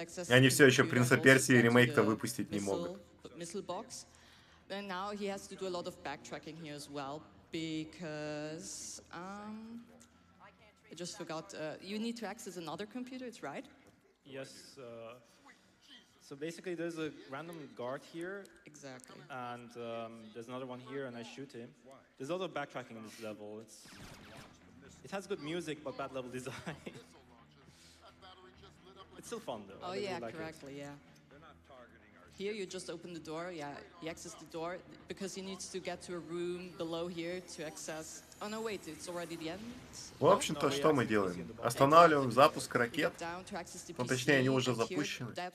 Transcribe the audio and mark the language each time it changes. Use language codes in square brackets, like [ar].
[ru] они все еще Принца Персии ремейк-то выпустить не могут. [en] Missile box. And now he has to do a lot of backtracking here as well because I just forgot. You need to access another computer. It's right. Yes. So basically, there's a random guard here. Exactly. And there's another one here, and I shoot him. There's a lot of backtracking in this level. It has good music, but bad level design. It's still fun though. Oh yeah, correctly. Yeah. Here you just open the door. Yeah, he accesses the door because he needs to get to a room below here to access. Oh no, wait, it's already the end. [ru] В общем-то, что мы делаем? Останавливаем запуск ракет. Ну, точнее, они уже запущены.